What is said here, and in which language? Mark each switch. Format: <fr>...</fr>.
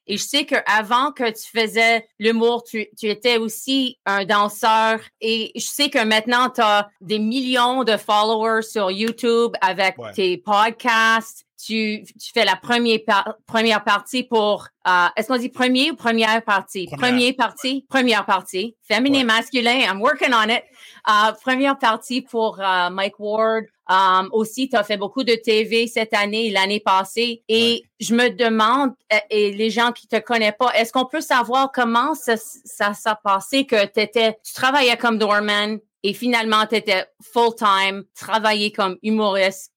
<fr>Et je sais qu'avant que tu faisais l'humour, tu étais aussi un danseur. Et je sais que maintenant, tu as des millions de followers sur YouTube avec tes podcasts. Tu fais la première partie pour... est-ce qu'on dit premier ou première partie? Première partie. Ouais. Première partie.</fr> <en>Féminin, masculin, I'm working on it.</en> <fr>Première partie pour Mike Ward. Aussi, tu as fait beaucoup de TV cette année, l'année passée. Et je me demande, et les gens qui te connaissent pas, est-ce qu'on peut savoir comment ça s'est passé que tu travaillais comme doorman et finalement, tu étais full-time, travaillais comme humoriste.</fr>